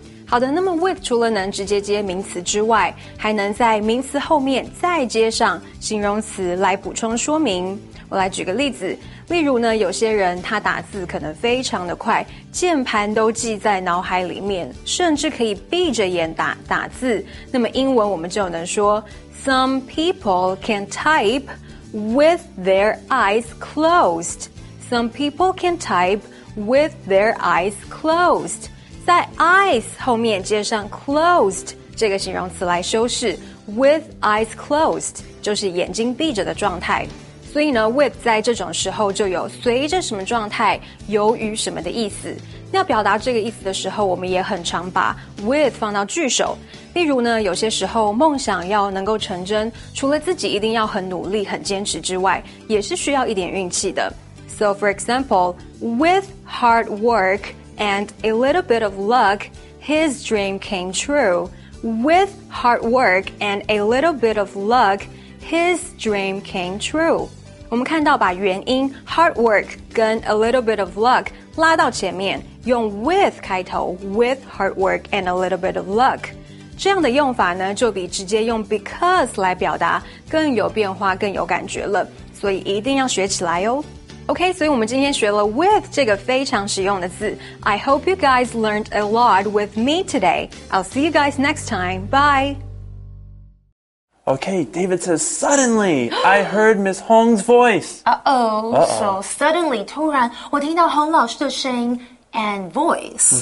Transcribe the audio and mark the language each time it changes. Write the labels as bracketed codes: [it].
[zh] 好的，那么 with 除了能直接接名词之外，还能在名词后面再接上形容词来补充说明。我来举个例子，例如呢，有些人他打字可能非常的快，键盘都记在脑海里面，甚至可以闭着眼打字。那么英文我们就能说 [en] ，Some people can type with their eyes closed. Some people can type with their eyes closed. [zh] 在 eyes 后面接上 closed 这个形容词来修饰 ， [en] with eyes closed [zh] 就是眼睛闭着的状态。所以呢 ，with 在这种时候就有随着什么状态，由于什么的意思。要表达这个意思的时候，我们也很常把 with 放到句首。例如呢，有些时候梦想要能够成真，除了自己一定要很努力、很坚持之外，也是需要一点运气的。 [en] So for example, with hard work and a little bit of luck, his dream came true. With hard work and a little bit of luck. His dream came true. [zh] 我们看到把元音 [en] hard work 跟 a little bit of luck 拉到前面，用 with 开头 ，with hard work and a little bit of luck. [zh] 这样的用法呢，就比直接用 because 来表达更有变化，更有感觉了。所以一定要学起来哦。 Okay, 所以我们今天学了 with 这个非常实用的字。 [en] I hope you guys learned a lot with me today. I'll see you guys next time. Bye! Okay, David says, suddenly, I heard Ms. Hong's voice. So suddenly, [zh] 突然我听到 Hong 老师的声音 and voice.